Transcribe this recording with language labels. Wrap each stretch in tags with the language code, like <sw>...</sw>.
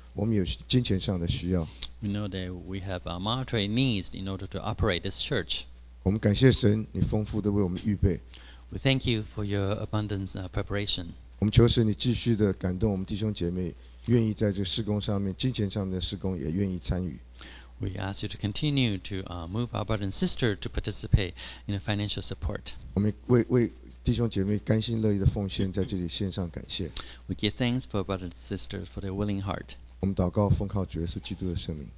<zh>我们有金钱上的需要。</zh> <en>We know that we have monetary needs in order to operate this church.</en> <zh>我们感谢神，你丰富的为我们预备。</zh> <en>We thank you for your abundant preparation.</en> <zh>我们求神你继续的感动我们弟兄姐妹，愿意在这个事工上面、金钱上面的事工也愿意参与。</zh> <en>We ask you to continue to move our brother and sister to participate in the financial support.</en> <zh>我们为弟兄姐妹甘心乐意的奉献，在这里献上感谢。</zh> <en>We give thanks for brother and sister for their willing heart.</en> <zh>我们祷告奉靠主耶稣基督的圣名。</zh>